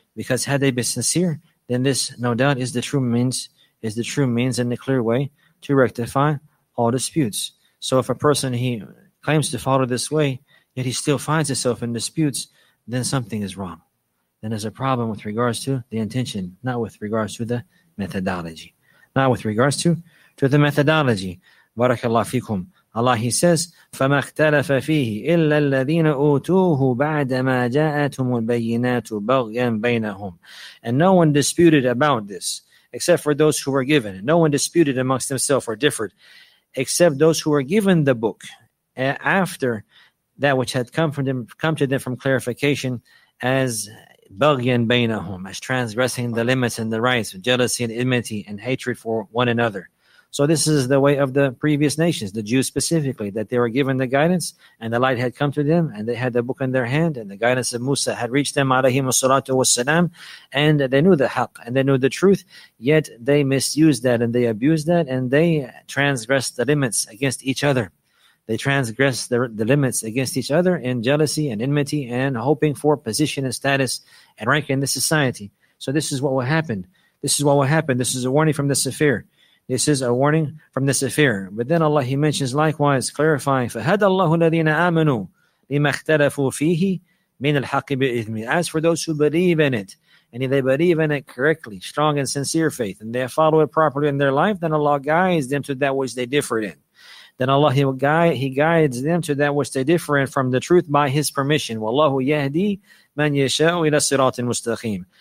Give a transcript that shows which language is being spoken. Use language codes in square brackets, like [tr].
[en] Because had they been sincere, then this no doubt is the true means and the clear way to rectify all disputes. So if a person, he claims to follow this way, yet he still finds himself in disputes, then something is wrong. Then there's a problem with regards to the intention, not with regards to the methodology. Not with regards to the methodology. [ar] Barakallahu fikum. [en] Allah, He says, [ar] فَمَا اخْتَلَفَ فِيهِ إِلَّا الَّذِينَ أُوتُوهُ بَعْدَمَا جَاءَتُمُ الْبَيِّنَاتُ بَغْيًا بَيْنَهُمْ. [en] And no one disputed about this, except for those who were given. No one disputed amongst themselves or differed, except those who were given the book after that which had come to them from clarification as [ar] بَغْيًا بَيْنَهُمْ, [en] as transgressing the limits and the rights, jealousy and enmity and hatred for one another. So this is the way of the previous nations, the Jews specifically, that they were given the guidance and the light had come to them and they had the book in their hand and the guidance of Musa had reached them, [ar] alayhi salatu wassalam, [en] and they knew the haq and they knew the truth, yet they misused that and they abused that and they transgressed the limits against each other. They transgressed the limits against each other in jealousy and enmity and hoping for position and status and rank in the society. So this is what will happen. This is what will happen. This is a warning from the Safir. This is a warning from this affair. But then Allah, He mentions likewise, clarifying, [ar] فَهَدَ اللَّهُ الَّذِينَ آمَنُوا لِمَا اخْتَلَفُوا فِيهِ مِنَ الْحَقِّ بِإِذْمِ. [en] As for those who believe in it, and if they believe in it correctly, strong and sincere faith, and they follow it properly in their life, then Allah guides them to that which they differed in. Then Allah, He guides them to that which they differ in from the truth by His permission. [ar] وَاللَّهُ يَهْدِي مَنْ يَشَاءُ إِلَى صِرَاطٍ مُسْتَقِيمٍ.